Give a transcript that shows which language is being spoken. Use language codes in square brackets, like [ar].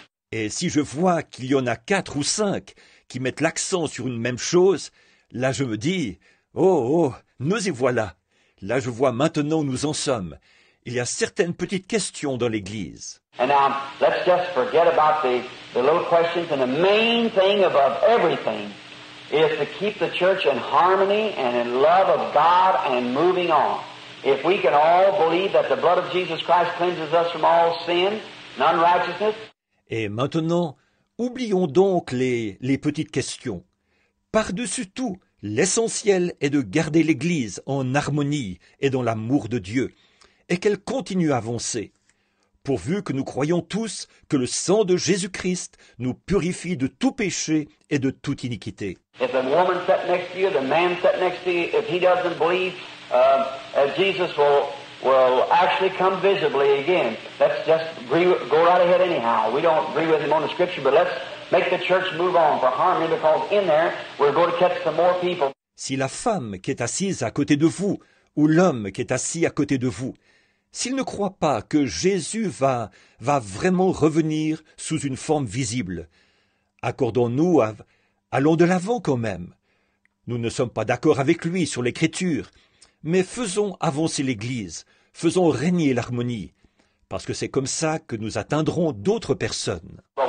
[fr] Et si je vois qu'il y en a quatre ou cinq qui mettent l'accent sur une même chose, là je me dis, oh, oh, nous y voilà. Là je vois maintenant où nous en sommes. Il y a certaines petites questions dans l'Église. [en] And now, let's just forget about the little questions. And the main thing above everything is to keep the church in harmony and in love of God and moving on. If we can all believe that the blood of Jesus Christ cleanses us from all sin and unrighteousness. [fr] Et maintenant, oublions donc les petites questions. Par-dessus tout, l'essentiel est de garder l'Église en harmonie et dans l'amour de Dieu, et qu'elle continue à avancer, pourvu que nous croyons tous que le sang de Jésus-Christ nous purifie de tout péché et de toute iniquité. [en] If the woman sat next to you, the man sat next to you, if he doesn't believe, Jesus will actually come visibly again, let's just agree, go right ahead anyhow. We don't agree with him on the scripture, but let's make the church move on for harmony, because in there, we're going to catch some more people. [fr] Si la femme qui est assise à côté de vous, ou l'homme qui est assis à côté de vous, s'il ne croit pas que Jésus va vraiment revenir sous une forme visible, accordons-nous à... Allons de l'avant quand même. Nous ne sommes pas d'accord avec lui sur l'Écriture, mais faisons avancer l'Église, faisons régner l'harmonie, parce que c'est comme ça que nous atteindrons d'autres personnes.